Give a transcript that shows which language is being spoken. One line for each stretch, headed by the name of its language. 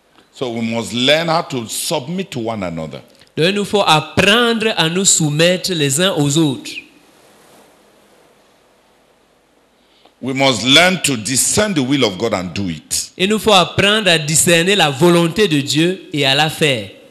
English: So we must learn how to submit to one another.
French: Donc nous faut apprendre à nous soumettre les uns aux autres.
English: We must learn to discern the will of God and do it.
French: Il nous faut apprendre à discerner la volonté de Dieu et à la faire.